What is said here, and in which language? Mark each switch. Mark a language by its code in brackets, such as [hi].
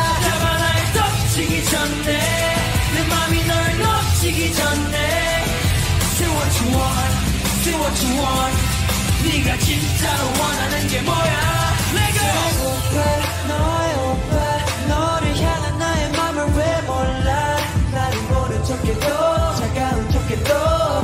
[ko] 잡아 날 덮치기 전에 내 맘이 널 놓치기 전에 [en] Say what you want Say what you want [ko] 네가 진짜로 원하는 게 뭐야 내가 배고파 너의 오빠 너를 향한 나의 맘을 왜 몰라 나를 모른 척해도 차가운 척해도